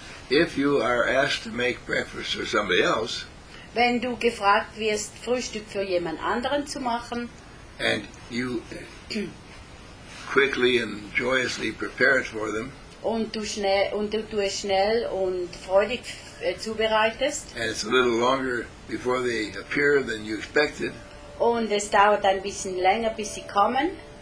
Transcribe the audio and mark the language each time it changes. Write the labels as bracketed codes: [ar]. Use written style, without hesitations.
[en] If you are asked to make breakfast for somebody else, [de] wenn du gefragt wirst, Frühstück für jemand anderen zu machen, [en] and you quickly and joyously prepare it for them, [de] und du es schnell und freudig zubereitest, [en] and it's a little longer before they appear than you expected, [de] und es dauert ein bisschen länger, bis sie kommen,